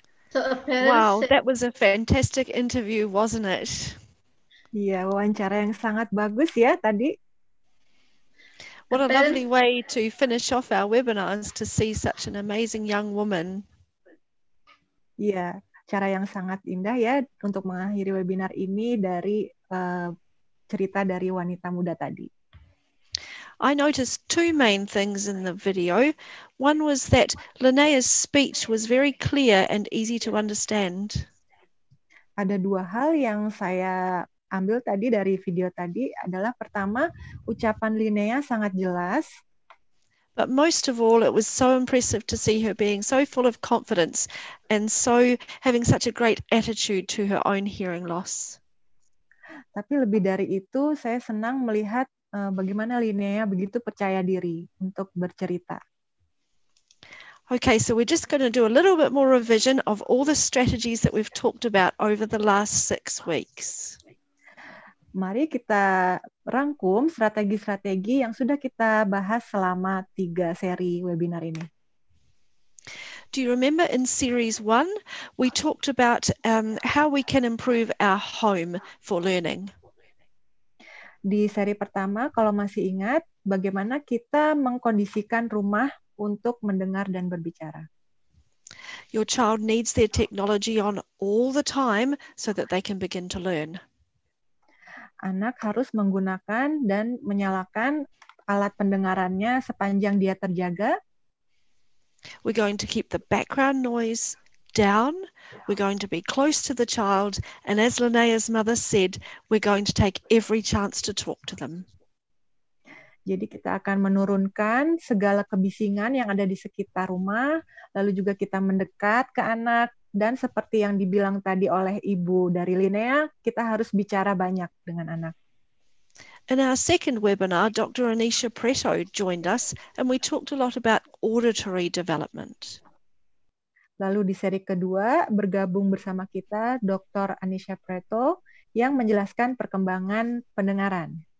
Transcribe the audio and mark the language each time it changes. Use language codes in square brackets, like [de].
[en] So wow, that was a fantastic interview, wasn't it? [id] Yeah, wawancara yang sangat bagus ya tadi. [en] What a lovely way to finish off our webinars, to see such an amazing young woman. [id] Yeah, cara yang sangat indah ya untuk mengakhiri webinar ini dari cerita dari wanita muda tadi. [en] I noticed two main things in the video. One was that Linnea's speech was very clear and easy to understand. [id] Ada dua hal yang saya ambil tadi dari video tadi adalah, pertama, ucapan Linnea sangat jelas. [en] But most of all, it was so impressive to see her being so full of confidence and so having such a great attitude to her own hearing loss. [id] Tapi lebih dari itu, saya senang melihat bagaimana Linnea begitu percaya diri untuk bercerita. [en] Okay, so we're just going to do a little bit more revision of all the strategies that we've talked about over the last 6 weeks. [id] mari kita rangkum strategi-strategi yang sudah kita bahas selama 3 seri webinar ini. [en] Do you remember in series 1, we talked about how we can improve our home for learning? [id] Di seri pertama, kalau masih ingat, bagaimana kita mengkondisikan rumah untuk mendengar dan berbicara. [en] Your child needs their technology on all the time so that they can begin to learn. [id] Anak harus menggunakan dan menyalakan alat pendengarannya sepanjang dia terjaga. [en] We're going to keep the background noise down. We're going to be close to the child. And as Linnea's mother said, we're going to take every chance to talk to them. [id] Jadi kita akan menurunkan segala kebisingan yang ada di sekitar rumah, lalu juga kita mendekat ke anak, dan seperti yang dibilang tadi oleh ibu dari Linnea, kita harus bicara banyak dengan anak. [en] In our second webinar, Dr. Anisha Preto joined us, and we talked a lot about auditory development. [id] Lalu di seri kedua, bergabung bersama kita Dr. Anisha Preto yang menjelaskan perkembangan pendengaran.